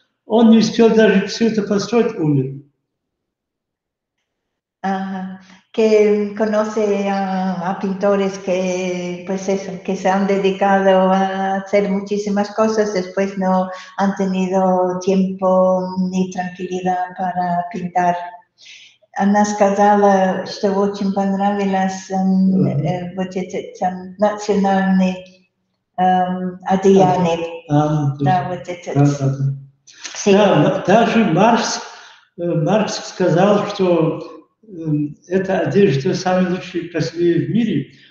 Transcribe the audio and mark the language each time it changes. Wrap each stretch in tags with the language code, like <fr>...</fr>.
<ru>Он не успел даже все это построить, умер.</ru> <es>Que conoce a pintores que, pues eso, que se han dedicado a hacer muchísimas cosas, después no han tenido tiempo ni tranquilidad para pintar.</es> <ru>Она сказала, что очень понравилась вот эта национальная одеяние. Да, вот это.</ru> <es>Sí.</es> <ru>Да, даже Маркс сказал, что эта одежда самая лучшая и красивая в мире.</ru>